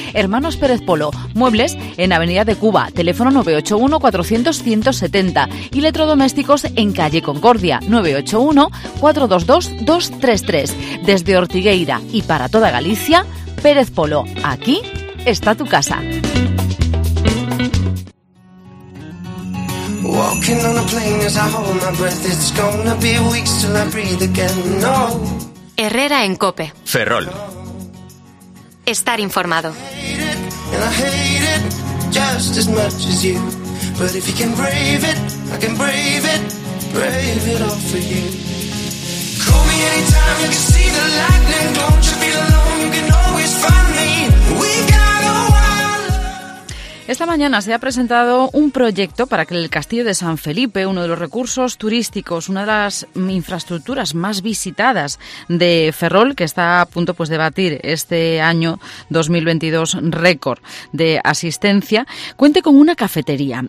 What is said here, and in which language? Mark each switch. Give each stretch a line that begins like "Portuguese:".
Spanish: Hermanos Pérez Polo, muebles en Avenida de Cuba, teléfono 981-400-170 y electrodomésticos en Calle Concordia, 981-422-233. Desde Ortigueira y para toda Galicia, Pérez Polo, aquí está tu casa.
English: Walking on a plane as I hold my breath, it's gonna be weeks till I breathe again.
Spanish: No. Herrera en COPE. Ferrol. Estar informado.
English: And I hate it just as much as you. But if you can brave it, I can brave it all for you. Call me anytime, you can see the lightning. Don't you feel alone, you can always find me. We got a while.
Spanish: Esta mañana se ha presentado un proyecto para que el Castillo de San Felipe, uno de los recursos turísticos, una de las infraestructuras más visitadas de Ferrol, que está a punto pues de batir este año 2022 récord de asistencia, cuente con una cafetería.